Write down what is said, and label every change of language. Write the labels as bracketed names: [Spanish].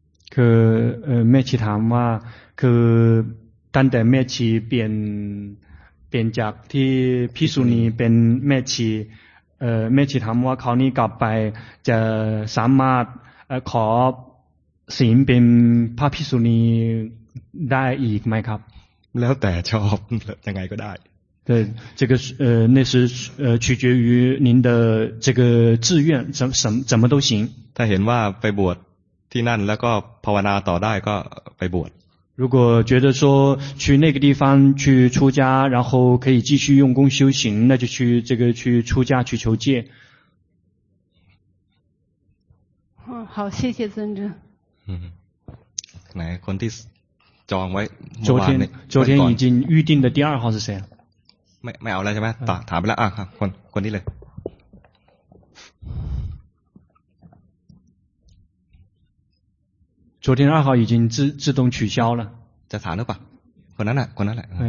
[Chinese] 可麦奇谈话可单单麦奇变 [Thai] เป็นจากที่พิสุนีเป็นแม่ชีแม่ชีถามว่าคราวนี้กลับไปจะสามารถขอศีลเป็นพระพิสุนีได้อีกไหมครับ แล้วแต่ชอบยังไงก็ได้ [Chinese] 对这个那是取决于您的这个志愿怎么都行 [Thai] ถ้าเห็นว่าไปบวชที่นั่นแล้วก็ภาวนาต่อได้ก็ไปบวช [Chinese] 如果觉得说去那个地方去出家然后可以继续用功修行那就去这个去出家去求戒好谢谢尊者 [Thai] 来คนที่จองไว้ [Chinese] 昨天已经预定的第二号是谁 [Thai] ไม่เอาแล้วใช่ไหมตอบถามไปแล้วครับคนนี้เลย [Chinese] 昨天二号已经自动取消了 [Thai] จะถามหรือเปล่าคนนั้นแหละคนนั้นแหละ